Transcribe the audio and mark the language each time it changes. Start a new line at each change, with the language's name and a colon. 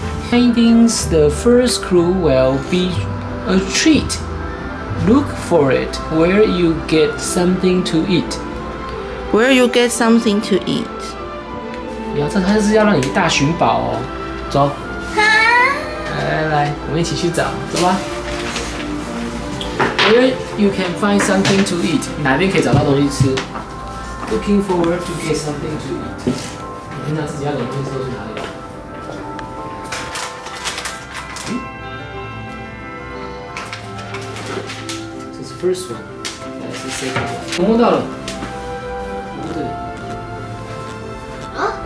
English: Paintings, the first clue will be a treat. Look for it where you get something to eat. Where you get something to eat.
Chinese: 你要，这他是要让你去大寻宝哦，走。来，我们一起去找，走吧。
English: Where you can find something to eat，
Chinese: 哪边可以找到东西吃
English: ？Looking forward to get something to eat。
Chinese: 你平常自己要找东西吃去哪里？这是
English: first one，
Chinese: 还是
English: second one？
Chinese: 我摸到了，不对。啊？